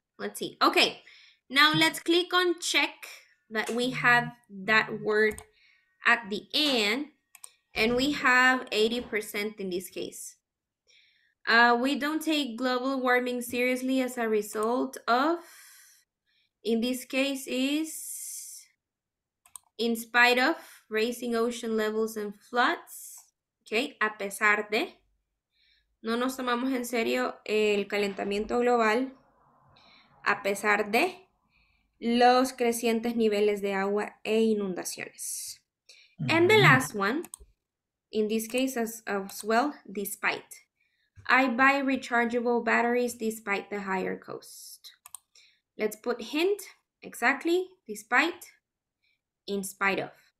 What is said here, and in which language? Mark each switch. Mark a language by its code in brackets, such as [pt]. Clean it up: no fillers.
[en] Okay, now let's click on check that we have that word at the end, and we have 80% in this case. We don't take global warming seriously as a result of, in this case, is in spite of raising ocean levels and floods. [es] Okay, a pesar de. No nos tomamos en serio el calentamiento global. A pesar de los crecientes niveles de agua e inundaciones. Mm-hmm. [en] And the last one, in this case as well, despite. I buy rechargeable batteries despite the higher cost. Let's put hint, exactly, despite, in spite of.